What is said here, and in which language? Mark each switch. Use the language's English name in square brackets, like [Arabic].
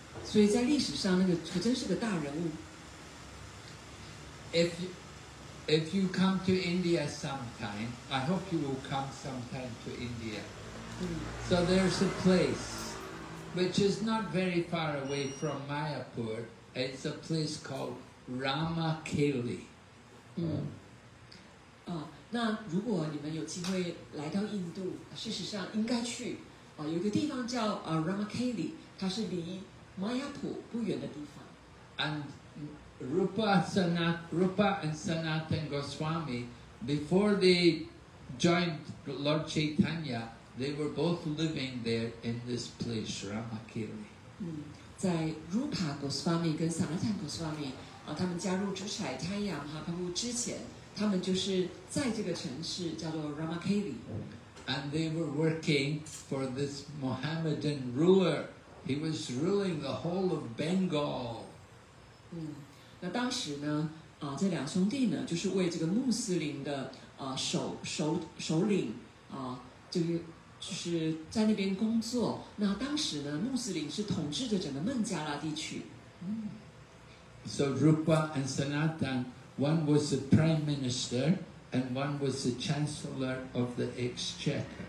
[Chinese] 所以在历史上那个可真是个大人物。 [English] If you come to India sometime, I hope you will come sometime to India. So there's a place which is not very far away from Mayapur. It's a place called Ramakeli. [Chinese] 那如果你们有机会来到印度，事实上应该去。有个地方叫Ramakeli, 它是离 Mayapur 不远的地方。 [English] And Rupa and Sanatan Goswami, before they joined Lord Chaitanya, they were both living there in this place, Ramakeli. [Chinese] 在 Rupa Goswami 跟 Sanatan Goswami, 他们加入竹柴泰雅马哈帕布之前，他们就是在这个城市叫做 Ramakeli。 [English] And they were working for this Mohammedan ruler. He was ruling the whole of Bengal. [Chinese] 那当时呢，这两兄弟呢，就是为这个穆斯林的首领就是在那边工作。那当时呢，穆斯林是统治着整个孟加拉地区。 [English] So Rupa and Sanatan, one was the prime minister. And one was the chancellor of the exchequer.